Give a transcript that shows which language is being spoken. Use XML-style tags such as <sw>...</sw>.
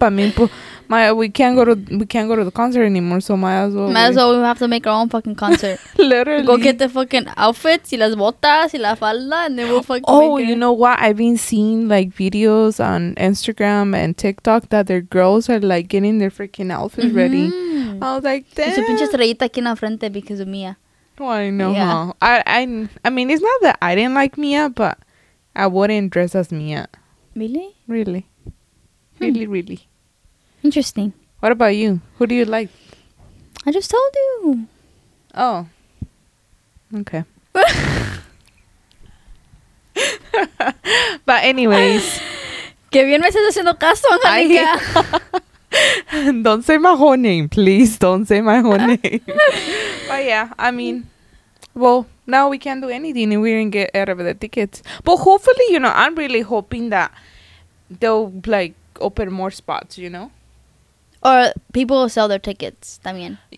<en>I mean, we can't go to the concert anymore. So might as well. We have to make our own fucking concert. Literally, go get the fucking outfits,</en> <es>y las botas, y la falda,</es> <en>and then we'll fucking. Oh, you know what? I've been seeing, like, videos on Instagram and TikTok that their girls are, like, getting their freaking outfits mm-hmm. ready. I was like, damn.</en> <es>Su pinche estrellita aquí en la frente</es> <en>because of</en> <es>Mia.</es> <en>Oh, I know. Yeah. Huh? I mean, it's not that I didn't like Mia, but I wouldn't dress as Mia. Really? Really, really. Interesting. What about you? Who do you like? I just told you. Oh. Okay. But anyways.</en> <es>Que bien me estás haciendo caso, Angelica.</es> <en>Don't say my whole name. Please don't say my whole name. But yeah, I mean, well, now we can't do anything and we didn't get out of the tickets. But hopefully, you know, I'm really hoping that they'll, like, open more spots, you know? Or people will sell their tickets, también.</en>